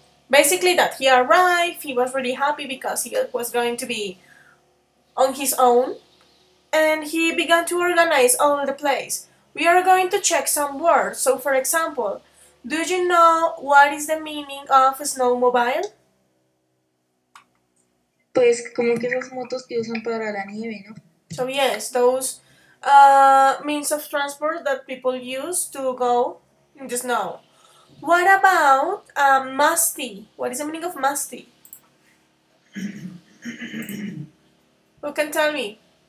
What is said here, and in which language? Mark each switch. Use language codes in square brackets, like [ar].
[en] Basically that he arrived, he was really happy because he was going to be on his own, and he began to organize all the place. We are going to check some words. So for example, do you know what is the meaning of a snowmobile? [es] Pues como que esas motos que usan para la nieve, ¿no? [en] So yes, those means of transport that people use to go in the snow. What about musty? What is the meaning of musty? Who can tell me?